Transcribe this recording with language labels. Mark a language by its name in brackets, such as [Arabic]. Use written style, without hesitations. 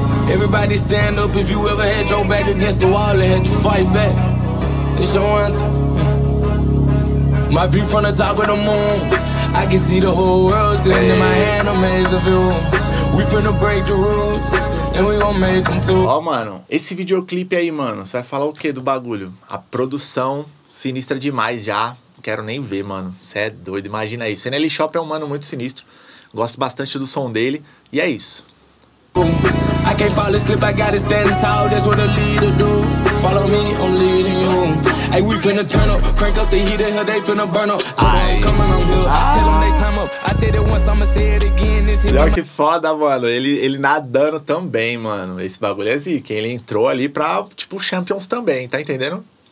[English] Everybody stand up if you ever had your back against the wall and had to fight back. It's your anthem. My view from the top of the moon. I can see the whole world sitting in my hand, I'm as a view. We finna break the rules and we gon' make them too. [Portuguese] Ó, mano, esse videoclipe aí, mano, você vai falar o quê do bagulho? A produção sinistra demais já. Quero nem ver, mano. Você é doido, imagina isso. NLE Choppa é um mano muito sinistro. Gosto bastante do som dele. E é isso. [English] I can't fall asleep, I gotta stand tall. That's what a leader do. Follow me, I'm leading you. Hey, we finna turn up. Crank up the heater, hell, they finna burn up. I'm coming, I'm here. Tell them they time up. I said it once, I'ma say it again. [Portuguese] Olha que foda, mano. Ele nadando também, mano. Esse bagulho é zica. Ele entrou ali pra, tipo, Champions também, tá entendendo?